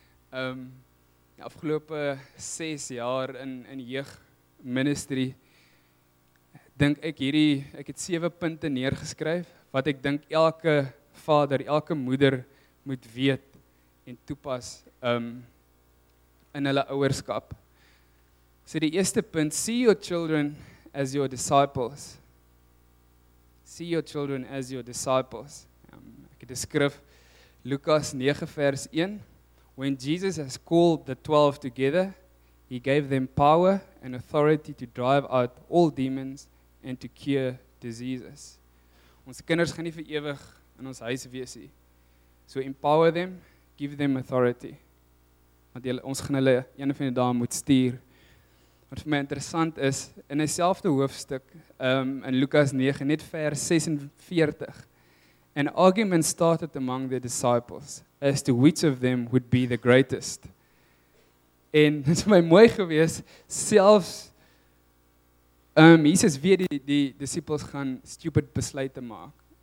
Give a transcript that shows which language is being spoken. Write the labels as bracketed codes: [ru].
[af] Die afgelope 6 jaar in jeug ministry, dink ek ek het 7 punte neergeskryf, wat ek dink elke vader, elke moeder moet weet en toepas in hulle ouerskap. So die eerste punt, [en] see your children as your disciples. See your children as your disciples. [af] Ek het geskryf Lukas 9 vers 1. [en] When Jesus has called the 12 together, he gave them power and authority to drive out all demons and to cure diseases. [af] Ons kinders gaan nie vir ewig in ons huis wees nie. [en] So empower them, give them authority. [af] Want jy, ons gaan hulle een of ander dag moet stuur. Wat vir my interessant is, in dieselfde hoofstuk, in Lukas 9, net vers 46, [en] an argument started among the disciples as to which of them would be the greatest. [af] En dit is vir my mooi gewees, selfs Jesus weet die disciples gaan stupid besluite maak.